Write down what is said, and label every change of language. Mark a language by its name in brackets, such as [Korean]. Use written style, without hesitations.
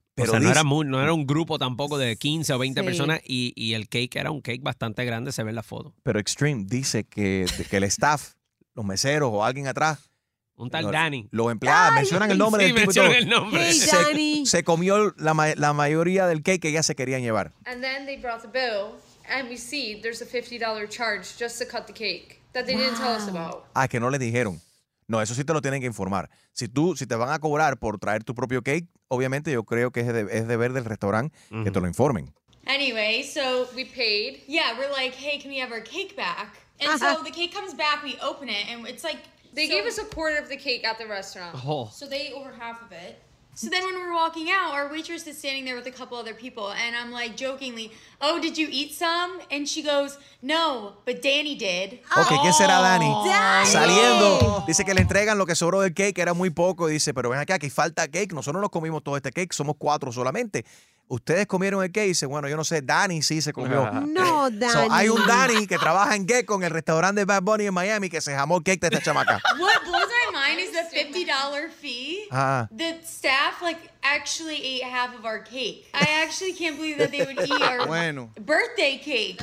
[Spanish] Pero o sea, no era un grupo tampoco de 15 o 20 personas y el cake era un cake bastante grande, se ve en la foto. Pero Extreme dice que el staff, los meseros o alguien atrás. Un tal Danny. Los empleados, mencionan el nombre. Sí, mencionan el nombre. [English] Hey, Danny. [Spanish] Se comió la mayoría del cake que ya se querían llevar. [English] And then they brought the bill and we see there's a $50 charge just to cut the cake that they didn't tell us about. [Spanish] Ah, que no les dijeron. No, eso sí te lo tienen que informar. Si te van a cobrar por traer tu propio cake, obviamente yo creo que es deber del restaurante que te lo informen. [English] Anyway, so we paid. Yeah, we're like, hey, can we have our cake back? And so the cake comes back, we open it, and it's like... They gave us a quarter of the cake at the restaurant. Oh. So they ate over half of it. So then when we're walking out, our waitress is standing there with a couple other people, and I'm like jokingly, oh, did you eat some? And she goes, no, but Danny did. Okay, oh, [Spanish] ¿quién será Danny? Danny. Saliendo. Dice que le entregan lo que sobró del cake, era muy poco. Dice, pero ven acá, aquí falta cake. Nosotros no comimos todo este cake, somos cuatro solamente. ¿Ustedes comieron el cake? Dice, bueno, yo no sé, Danny sí se comió. No, Danny. So, hay un Danny que trabaja en Gecko en el restaurante Bad Bunny en Miami que se jamó el cake de esta chamaca. [English] What blows my mind is the $50 fee. The staff, like, actually ate half of our cake. I actually can't believe that they would eat our birthday cake.